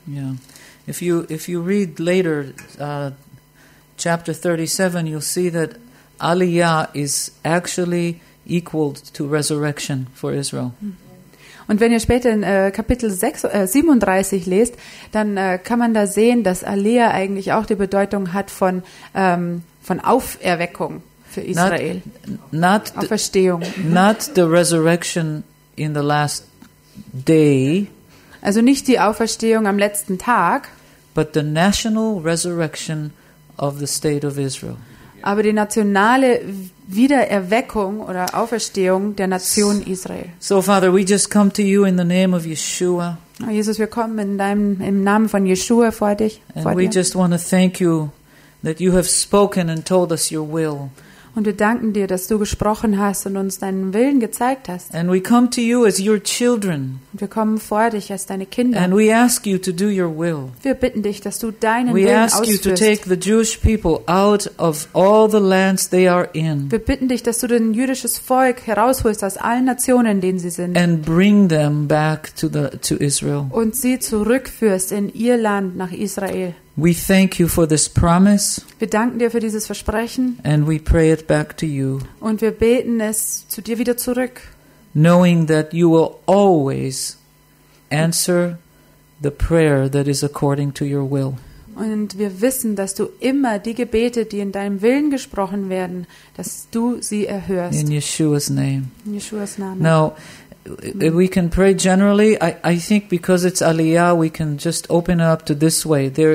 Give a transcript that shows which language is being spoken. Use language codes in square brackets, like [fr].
[en] Yeah. If you read later chapter 37, you'll see that Aleia is actually equaled to resurrection for Israel. [de] Und wenn ihr später in Kapitel 37 lest, dann kann man da sehen, dass Aleia eigentlich auch die Bedeutung hat von Auferweckung für Israel. [en] Not [de] Auferstehung. [en] Not the resurrection in the last day. [de] Also nicht die Auferstehung am letzten Tag, [en] but the national resurrection of the state of Israel. [de] Aber die nationale Wiedererweckung oder Auferstehung der Nation Israel. [en] So Father, we just come to you in the name of Yeshua. [de] Oh Jesus, wir kommen in deinem im Namen von Yeshua vor dich. [en] And we just want to thank you that you have spoken and told us your will. [de] Und wir danken dir, dass du gesprochen hast und uns deinen Willen gezeigt hast. [en] And we come to you as your children. [de] Wir kommen vor dich als deine Kinder. [en] And we ask you to do your will. [de] Wir bitten dich, dass du deinen [en] we [de] Willen [en] ask [de] ausführst. [en] You to take the Jewish people out of all the lands they are in. [de] Wir bitten dich, dass du dein jüdisches Volk herausholst aus allen Nationen, in denen sie sind. [en] And bring them back to the to Israel. [de] Und sie zurückführst in ihr Land nach Israel. [en] We thank you for this promise. [de] Wir danken dir für dieses Versprechen. [en] And we pray it back to you. [de] Und wir beten es zu dir wieder zurück. [en] Knowing that you will always answer the prayer that is according to your will. [de] Und wir wissen, dass du immer die Gebete, die in deinem Willen gesprochen werden, dass du sie erhörst. [en] In Yeshua's name. [de] In Yeshua's Namen. [en] Now, we can pray generally. I think because it's Aliyah, we can just open it up to this way.